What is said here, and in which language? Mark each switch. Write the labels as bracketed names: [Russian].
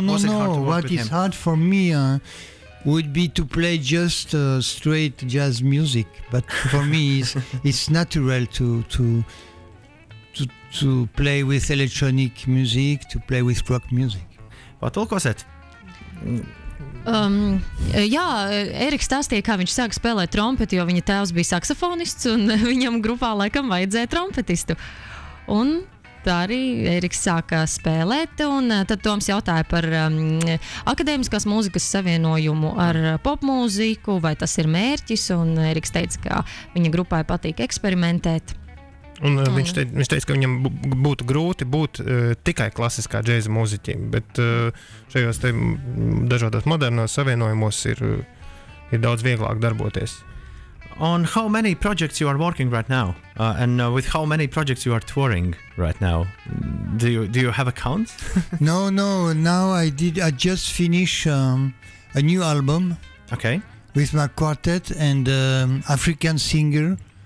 [English] What is hard for me would be to play just straight jazz music. But for me, it's natural to play with electronic music, to play with rock music. [Latvian] Vai tu ko sēt? Jā, Eriks stāstīja, kā viņš sāka spēlēt trompeti, jo viņa tēvs bija saksofonists un viņam grupā laikam vajadzēja trompetistu. Un tā arī Eriks sāka spēlēt un tad Toms jautāja par akadēmiskās mūzikas savienojumu ar popmūziku, vai tas ir mērķis un Eriks teica, ka viņa grupai patīk eksperimentēt. Un viņš teica, ka viņam būtu grūti būt tikai klasiskā džēza mūziķi, bet šajos te dažādās modernās savienojumos ir daudz vieglāk darboties. [English] On how many projects you are working right now? And with how many projects you are touring right now? Do you have a count? No. Now I just finished a new album. Okay. With my quartet and African singer.